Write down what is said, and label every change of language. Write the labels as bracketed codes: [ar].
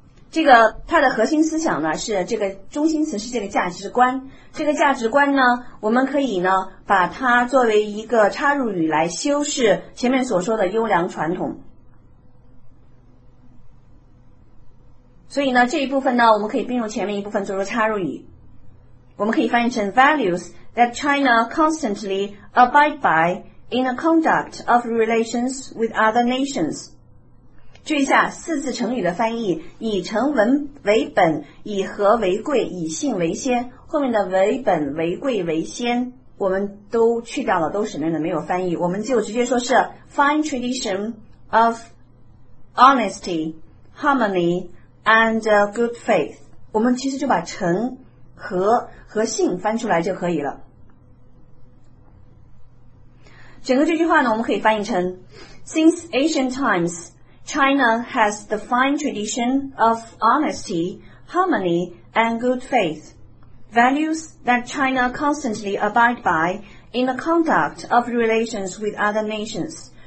[zh] 这个它的核心思想呢，是这个中心词是这个价值观。这个价值观呢，我们可以呢把它作为一个插入语来修饰前面所说的优良传统。所以呢，这一部分呢，我们可以并入前面一部分作为插入语。我们可以翻译成 [en] values that China constantly abide by in the conduct of relations with other nations. [zh] 注意一下四字成语的翻译，以诚为本，以和为贵，以信为先。后面的为本、为贵、为先我们都去掉了，都省略了，没有翻译，我们就直接说是 [en] fine tradition of honesty, harmony and good faith. [zh] 我们其实就把诚和信翻出来就可以了。整个这句话呢，我们可以翻译成 [en] Since ancient times, China has the fine tradition of honesty, harmony, and good faith, values that China constantly abide by in the conduct of relations with other nations.